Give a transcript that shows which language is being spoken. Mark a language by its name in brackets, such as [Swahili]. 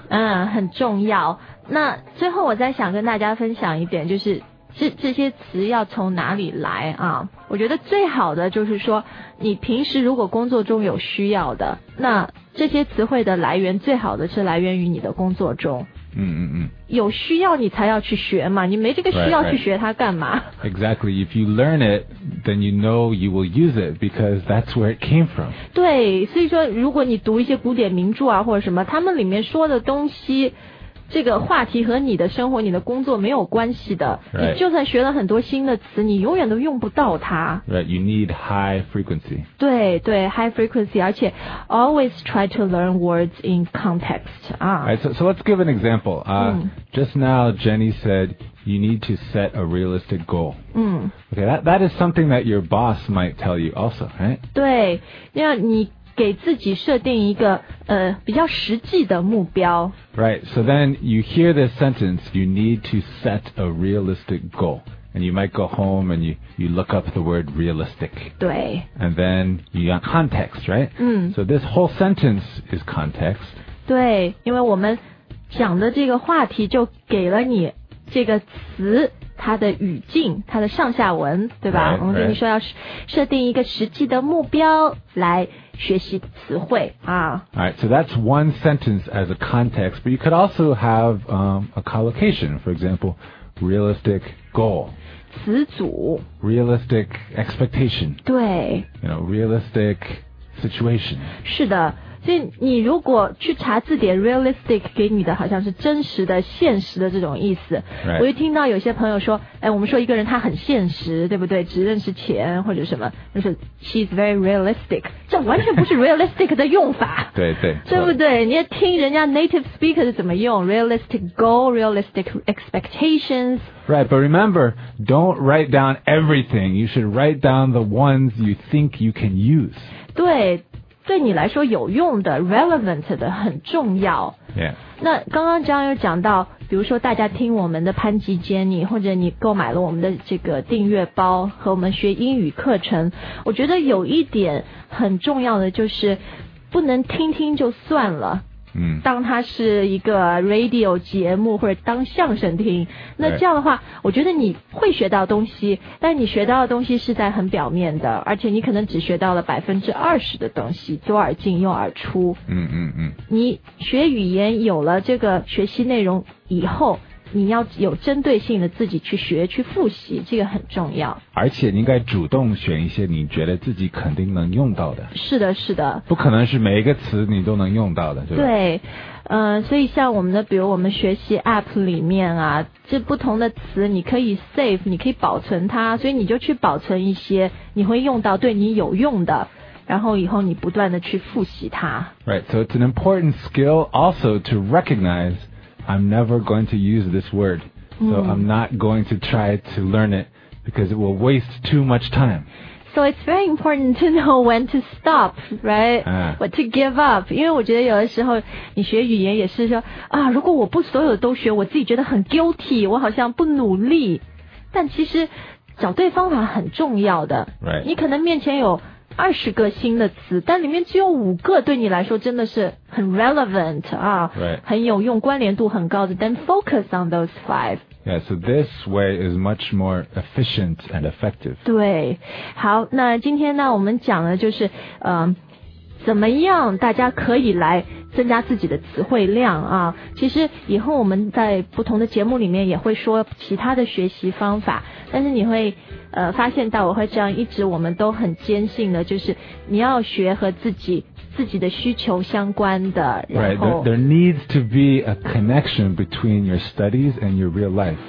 [Chinese] 嗯很重要那最后我再想跟大家分享一点就是这些词要从哪里来啊我觉得最好的就是说你平时如果工作中有需要的那这些词汇的来源最好的是来源于你的工作中嗯嗯嗯有需要你才要去学嘛你没这个需要去学它干嘛 [English] right, right. Exactly, if you learn it, then you know you will use it because that's where it came from [Chinese] 对所以说如果你读一些古典名著啊或者什么他们里面说的东西这个话题和你的生活你的工作没有关系的、 [English] right. [Chinese] 你就算学了很多新的词你永远都用不到它 [English] Right, you need high frequency [Chinese] 对对 [English] high frequency [Chinese] 而且 [English] always try to learn words in context、 right, so let's give an example、just now Jenny said you need to set a realistic goal、okay, that is something that your boss might tell you also、right? [Chinese] 对因为你给自己设定一个比较实际的目标 [English] Right, so then you hear this sentence You need to set a realistic goal And you might go home and you look up the word realistic [Chinese] 对 [English] And then you got context, right? So this whole sentence is context [Chinese] 对因为我们讲的这个话题就给了你这个词它的语境，它的上下文，对吧？ [English] Right, [Chinese] 我们跟你说要设定一个实际的目标来学习词汇啊。 [English] Alright, so that's one sentence as a context, but you could also have a collocation, for example, realistic goal. [Chinese] 词组。 [English] Realistic expectation. [Chinese] 对。 [English] You know, realistic situation. [Chinese] 是的。所以你如果去查字典 realistic 给你的好像是真实的现实的这种意思、 [English] right. [Chinese] 我就听到有些朋友说哎，我们说一个人他很现实对不对只认识钱或者什么就是 [English] she's very realistic [Chinese] 这完全不是 realistic 的用法对对对不对你要听人家 native speaker 是怎么用 realistic goal realistic expectations [English] right but remember don't write down everything you should write down the ones you think you can use [Chinese] 对对你来说有用的 relevant 的很重要、 [English] yeah. [Chinese] 那刚刚张又讲到比如说大家听我们的潘吉 Jenny 或者你购买了我们的这个订阅包和我们学英语课程我觉得有一点很重要的就是不能听听就算了、 mm. 当它是一个 radio 节目或者当相声听那这样的话、 [English] right. [Chinese] 我觉得你会学到东西但你学到的东西是在很表面的而且你可能只学到了20%的东西左耳进右耳出嗯嗯嗯你学语言有了这个学习内容以后你要有针对性的自己去学去复习这个很重要而且你应该主动选一些你觉得自己肯定能用到的是的是的不可能是每一个词你都能用到的对所以像我们的比如我们学习 APP 里面啊这不同的词你可以 save 你可以保存它所以你就去保存一些你会用到对你有用的然后以后你不断的去复习它 [English] Right, so it's an important skill also to recognize I'm never going to use this word So I'm not going to try to learn it because it will waste too much time So it's very important to know when to stop, right?、But to give up. [Chinese] 因为我觉得有的时候你学语言也是说啊，如果我不所有的都学，我自己觉得很 guilty, 我好像不努力。但其实找对方法很重要的。 [English] Right. [Chinese] 你可能面前有20个新的词，但里面只有5个对你来说真的是很 relevant 啊、 [English] right. [Chinese] 很有用，关联度很高的。 [English] Then focus on those 5. Yeah, so this way is much more efficient and effective. [Chinese] 对，好，那今天呢，我们讲的就是，怎么样大家可以来增加自己的词汇量啊？其实以后我们在不同的节目里面也会说其他的学习方法，但是你会发现到我会这样一直我们都很坚信的，就是你要学和自己的需求相关的。 [English] Right, there needs to be a connection between your studies and your real life.